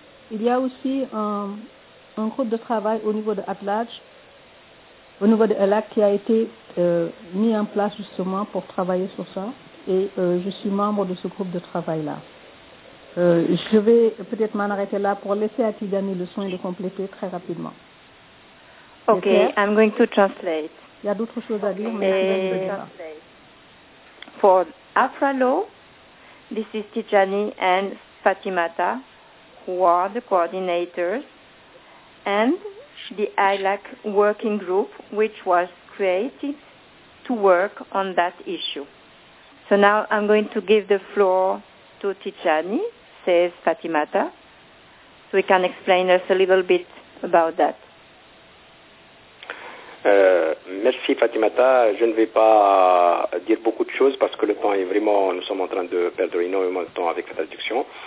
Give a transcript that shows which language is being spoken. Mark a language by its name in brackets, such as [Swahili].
[French] Il y a aussi un groupe de travail au niveau de Atlage, au niveau de ELAC, qui a été mis en place justement pour travailler sur ça. Et je suis membre de ce groupe de travail-là. Je vais peut-être m'en arrêter là pour laisser à Tidjani le soin de compléter très rapidement. [English] Ok, I'm going to translate. [French] Il y a d'autres choses à dire, mais je vais vous le dire. [English] For AFRALO, this is Tijani and Fatimata, who are the coordinators, and the ILAC working group, which was created to work on that issue. So now I'm going to give the floor to Tijani, says Fatimata, so he can explain us a little bit about that. [French] Merci Fatimata, je ne vais pas dire beaucoup de choses parce que le temps est vraiment, nous sommes en train de perdre énormément de temps avec la traduction.